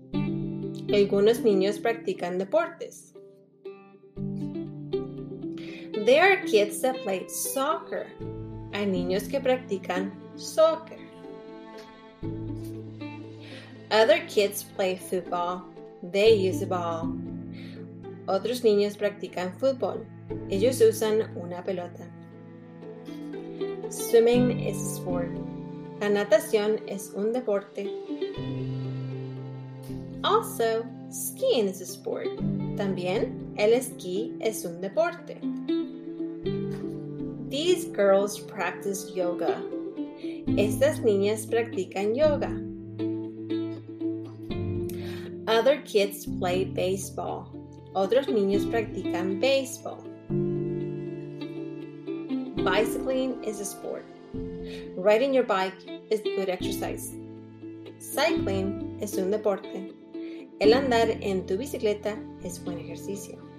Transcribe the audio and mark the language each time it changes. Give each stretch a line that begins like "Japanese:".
Spanish: Algunos niños practican deportes.
English: There are kids that play soccer.
Spanish: Hay niños que practican soccer.
English: Other kids play football. They use a ball.
Spanish: Otros niños practican fútbol. Ellos usan una pelota.
English: Swimming is a sport.
Spanish: La natación es un deporte.
English: Also, skiing is a sport.
Spanish: También, el esquí es un deporte.
English: These girls practice yoga.
Spanish: Estas niñas practican yoga.
English: Other kids play baseball.
Spanish: Otros niños practican baseball.
English: Bicycling is a sport. Riding your bike is good exercise.
Spanish: Cycling es un deporte. El andar en tu bicicleta es buen ejercicio.